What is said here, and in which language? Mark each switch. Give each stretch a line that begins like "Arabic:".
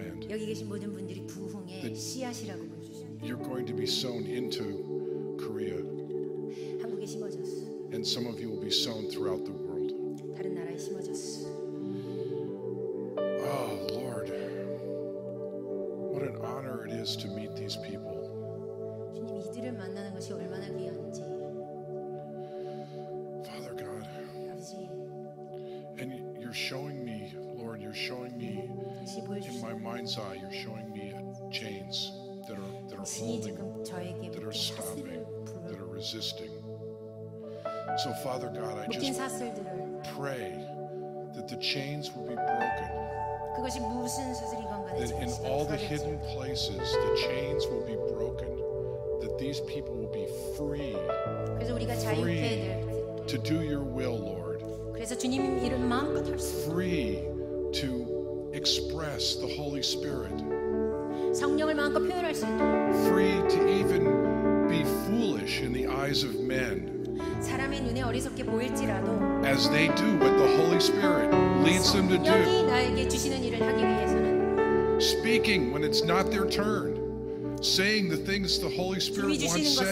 Korean: 여기 계신 모든 분들이 부흥의 씨앗이라고 보여주십니다.
English: You're going to be sown into Korea.
Korean: 한국에 심어졌어.
English: And some of you will be sown throughout the world.
Korean: 다른 나라에 심어졌어.
English: Oh Lord, what an honor it is to meet these people.
Korean: 주님, 이들을 만나는 것이 얼마나 귀한지.
English: Father God.
Korean: 아버지.
English: And you're showing me, Lord, you're showing me. In my mind's eye, you're showing me chains that are holding, that are stopping, that are resisting. So, Father God, I just pray that the chains will be broken.
Korean: 그 그것이 무슨 사슬이 건가요?
English: That in all the hidden places, the chains will be broken. That these people will be free.
Korean: 그래서 우리가 자유케 될.
English: To do your will, Lord.
Korean: 그래서 주님 이름 마음껏 할 수.
English: Free to express the Holy Spirit.
Korean: 성령을 마음껏 표현할 수 있도록.
English: Free to even be foolish in the eyes of men.
Korean: 사람의 눈에 어리석게 보일지라도
English: as they do what the Holy Spirit leads them to do.
Korean: 성령이 나에게 주시는 일을 하기 위해서는
English: speaking when it's not their turn, saying the things the Holy Spirit once said.